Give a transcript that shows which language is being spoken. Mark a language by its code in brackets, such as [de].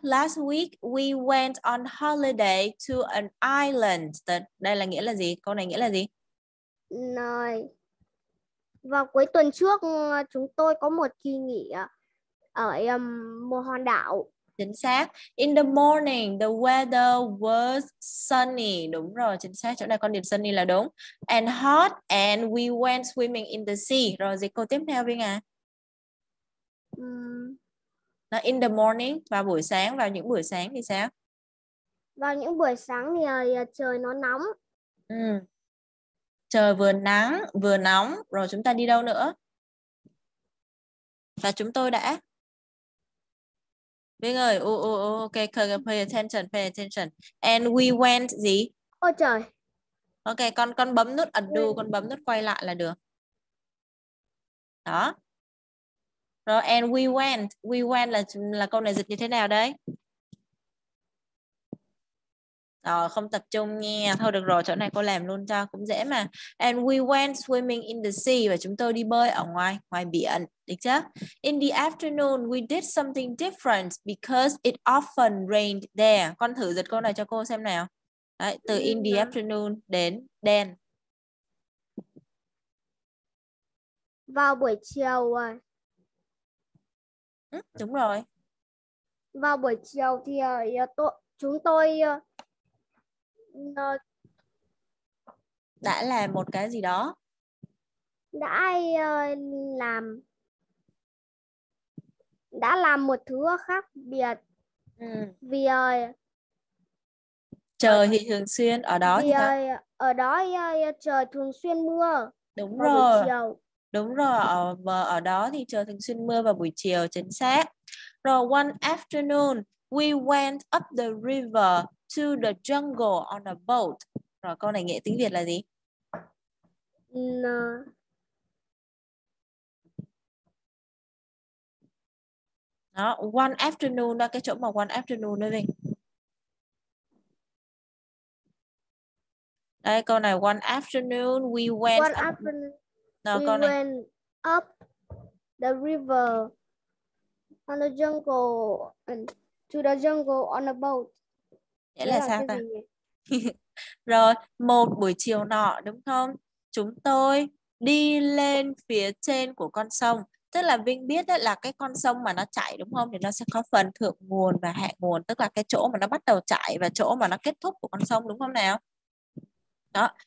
[en] Last week we went on holiday to an island. [vi] Đây là nghĩa là gì? Câu này nghĩa là gì? Rồi. Vào cuối tuần trước chúng tôi có một kỳ nghỉ ở một hòn đảo. Chính xác. [en] In the morning, the weather was sunny. [vi] Đúng rồi, chính xác. Chỗ này con điểm sunny là đúng. [en] And hot, and we went swimming in the sea. [vi] Rồi, dịch câu tiếp theo Vinh à. [en] In the morning, [vi] vào buổi sáng, vào những buổi sáng thì sao? Vào những buổi sáng thì trời nó nóng. Trời vừa nắng, vừa nóng. Rồi, chúng ta đi đâu nữa? Và chúng tôi đã... [en] Vinh ơi, okay, pay attention. And we went gì? [vi] Ôi trời. Ok, con bấm nút undo, con bấm nút quay lại là được. Đó. Rồi, [en] and we went. We went [vi] là câu này dịch như thế nào đấy? Rồi, không tập trung nghe. Thôi được rồi, chỗ này cô làm luôn cho, cũng dễ mà. [en] And we went swimming in the sea. [vi] Và chúng tôi đi bơi ở ngoài biển. Được chưa? [en] In the afternoon, we did something different because it often rained there. [vi] Con thử dịch câu này cho cô xem nào. Đấy, từ [en] in the afternoon [vi] đến then. Vào buổi chiều. Đúng rồi. Vào buổi chiều thì chúng tôi... đã làm một cái gì đó. Đã làm một thứ khác biệt. Vì trời thì thường xuyên ở đó thì ở đó trời thường xuyên mưa. Đúng rồi. Đúng rồi, ở đó thì trời thường xuyên mưa vào buổi chiều, chính xác. [en] Rồi one afternoon we went up the river to the jungle on a boat. [vi] Rồi câu này nghĩa tiếng Việt là gì? Đó, [en] one afternoon [vi] đó, cái chỗ mà one afternoon đó Vinh. Đây câu này [en] one afternoon we went one up. [vi] Đó, [en] we [vi] câu này. [en] Went up the river on the jungle and to the jungle on a boat. [vi] Là sao ta? Rồi, một buổi chiều nọ đúng không? Chúng tôi đi lên phía trên của con sông. Tức là Vinh biết đó là cái con sông mà nó chảy đúng không? Thì nó sẽ có phần thượng nguồn và hạ nguồn. Tức là cái chỗ mà nó bắt đầu chảy và chỗ mà nó kết thúc của con sông đúng không nào? Đó.